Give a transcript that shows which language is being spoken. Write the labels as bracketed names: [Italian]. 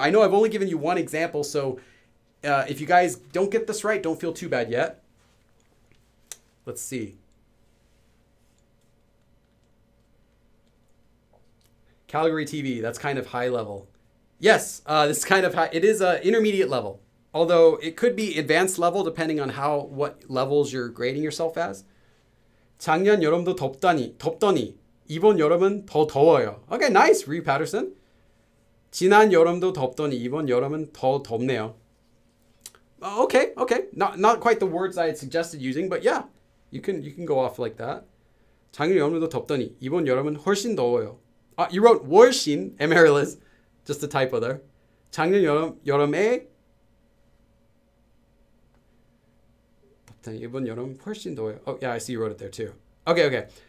[English] I know I've only given you one example. So if you guys don't get this right, don't feel too bad yet. Let's see. Calgary TV, that's kind of high level. Yes, this is kind of high. It is an intermediate level, although it could be advanced level depending on how what levels you're grading yourself as. [Korean] 작년 여름도 덥더니 이번 여름은 더 더워요. [English] Okay, nice, Ree Patterson. [Korean] 지난 여름도 덥더니 이번 여름은 더 덥네요. [English] Okay, okay. Not quite the words I had suggested using, but yeah. You can go off like that. [Korean] 작년 여름도 덥더니 이번 여름은 훨씬 더워요. [English] You wrote 훨씬, Emeryliss, just a typo there. [Korean] 작년 여름에 덥더니 이번 여름 훨씬 더워요. [English] Oh yeah, I see you wrote it there too. Okay, okay.